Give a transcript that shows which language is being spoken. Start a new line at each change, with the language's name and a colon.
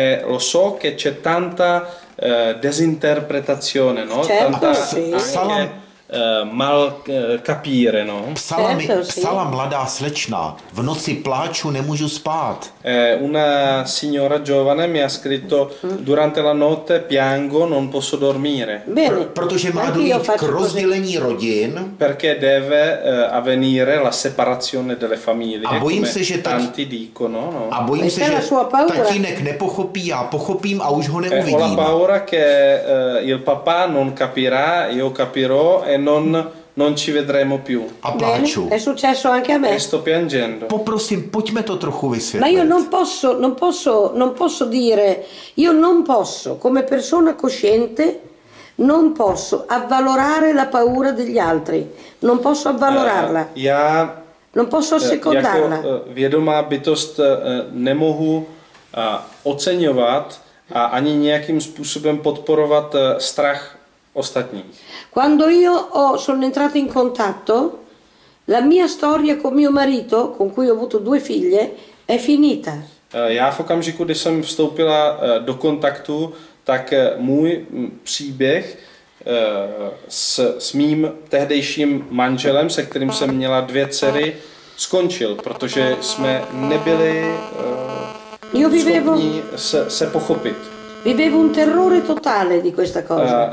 Italian: Lo so che c'è tanta disinterpretazione, no? Certo, tanta
Czech: psalam,
Italian: mal capire, no?
Czech: Psala, certo, psala mladá slečna, v noci pláču, nemůžu spát.
Italian: Una signora giovane mi ha scritto durante la notte piango, non posso dormire. Bene.
Czech: Protože má dojít k rozdělení rodin.
Italian: Perché deve avvenire la separazione delle famiglie.
Czech: A bojím se, že
Italian: tanti dicono, no?
Czech: A bojím se, že tatínek nepochopí, já pochopím a už ho neuvidím.
Italian: Ho la paura che il papà non capirà, io capirò e non ci vedremo più.
Czech: A pláču.
Italian: È successo anche a me. E sto piangendo.
Czech: Poprosím, pojďme to trochu vysvětlit.
Italian: Ma io non posso dire, io non posso come persona cosciente non posso avvalorare la paura degli altri. Non posso avvalorarla.
Czech: Ja
Italian: non posso assecondarla.
Czech: Jako vědomá bytost nemohu oceňovat a ani nějakým způsobem podporovat strach ostatní.
Italian: Quando io sono entrata in contatto, la mia storia con mio marito, con cui ho avuto due figlie, è finita.
Czech: Já v okamžiku, kdy jsem vstoupila do kontaktu, tak můj příběh s mým tehdejším manželem, se kterým jsem měla dvě dcery, skončil, protože jsme nebyli schopni se pochopit.
Italian: Vivevo un terrore totale di questa cosa.